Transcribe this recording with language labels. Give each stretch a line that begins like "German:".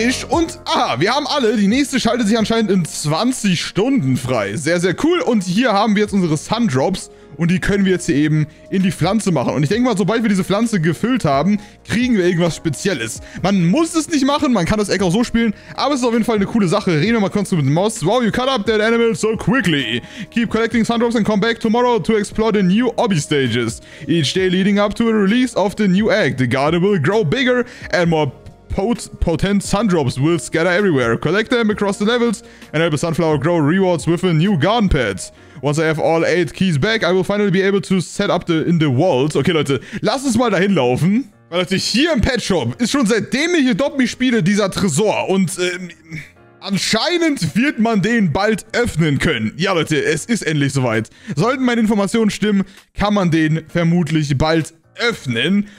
German: Und, wir haben alle, die nächste schaltet sich anscheinend in 20 Stunden frei. Sehr, sehr cool. Und hier haben wir jetzt unsere Sundrops und die können wir jetzt hier eben in die Pflanze machen. Und ich denke mal, sobald wir diese Pflanze gefüllt haben, kriegen wir irgendwas Spezielles. Man muss es nicht machen, man kann das Egg auch so spielen, aber es ist auf jeden Fall eine coole Sache. Reden wir mal kurz mit Moss.
English: Wow, you cut up that animal so quickly. Keep collecting Sundrops and come back tomorrow to explore the new Obby stages. Each day leading up to a release of the new egg. The garden will grow bigger and more potent Sundrops will scatter everywhere. Collect them across the levels and help a sunflower grow rewards with a new garden pet. Once I have all 8 keys back, I will finally be able to set up in the walls.
German: Okay, Leute, lasst uns mal dahin laufen. Weil, Leute, hier im Pet Shop ist schon seitdem ich hier Adopt Me spiele dieser Tresor. Und, Anscheinend wird man den bald öffnen können. Ja, Leute, es ist endlich soweit. Sollten meine Informationen stimmen, kann man den vermutlich bald öffnen.